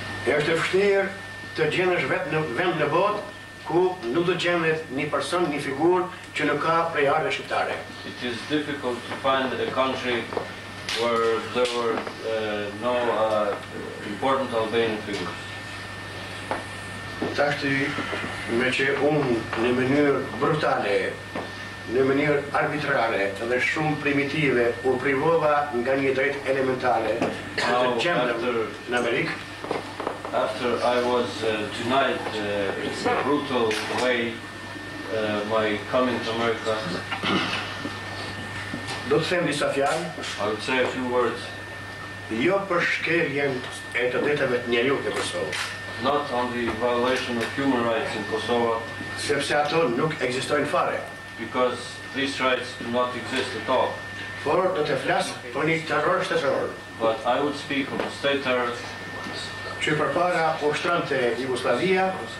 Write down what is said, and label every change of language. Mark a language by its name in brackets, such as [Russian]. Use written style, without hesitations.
[Albanian] Është e vështirë të gjenësh vetë në vend në botë ku nuk do gjenet një person, një figur që nuk ka prejardhje shqiptare. [English] It is difficult to find a country where there were no important Albanian figures. [Albanian] Tashti, me që unë në mënyrë brutale, në mënyrë arbitrare dhe shumë primitive, u privova nga një drejtë elementale të të gjenet në Amerikë, [English] after I was denied in a brutal way my coming to America, [Albanian] do të them disa fjalë. [English] I would say a few words. [Albanian] Jo për shkeljen e të drejtave të njeriut në Kosovë. [English] Not on the violation of human rights in Kosovo. [Albanian] Sepse ato nuk ekzistojnë fare. [English] Because these rights do not exist at all. [Albanian] Por do të flas për një terror shtetëror. [English] But I would speak of a state terror. [Albanian] Që përpara ushtronte Jugoslavia,